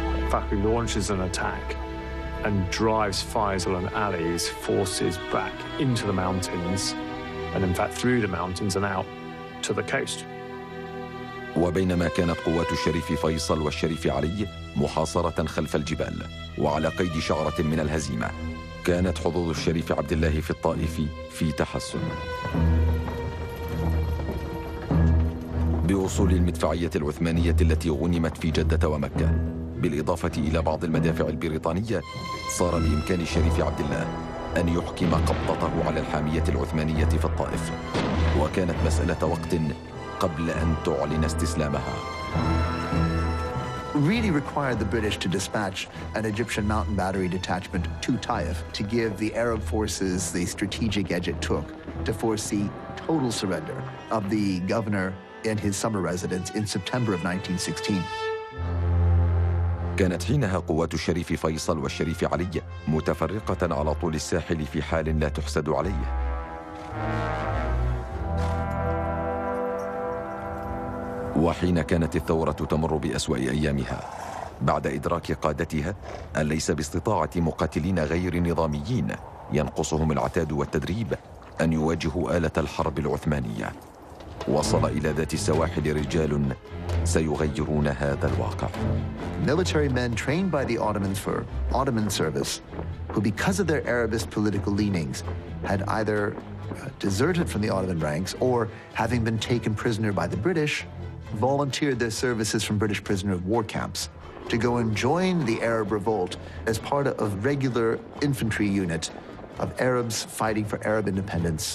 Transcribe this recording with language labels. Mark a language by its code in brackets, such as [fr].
[en] Fakhri launches an attack and drives Faisal and Ali's forces back into the mountains, and in fact through the mountains and out to the coast. [ar] وبينما كانت قوات الشريف فيصل والشريف علي محاصرة خلف الجبال وعلى قيد شعرة من الهزيمة، كانت حظوظ الشريف عبد الله في الطائف في تحسن. بوصول المدفعية العثمانية التي غنمت في جدة ومكة، بالإضافة إلى بعض المدافع البريطانية، صار بإمكان الشريف عبد الله أن يحكم قبضته على الحامية العثمانية في الطائف، وكانت مسألة وقت قبل أن تعلن استسلامها. [en] Really required the British to dispatch an Egyptian mountain battery detachment to Taif to give the Arab forces the strategic edge it took to foresee total surrender of the governor and his summer residence in September of 1916. [ar] كانت حينها قوات الشريف فيصل والشريف علي متفرقة على طول الساحل في حال لا تحسد عليه. وحين كانت الثورة تمر بأسوأ أيامها بعد إدراك قادتها أن ليس باستطاعة مقاتلين غير نظاميين ينقصهم العتاد والتدريب أن يواجهوا آلة الحرب العثمانية، وصل إلى ذات السواحل رجال سيغيرون هذا الواقع. [en] Military men trained by the Ottomans for Ottoman service, who because of their Arabist political leanings had either deserted from the Ottoman ranks or having been taken prisoner by the British, volunteered their services from British prisoner of war camps to go and join the Arab revolt as part of a regular infantry unit of Arabs fighting for Arab independence.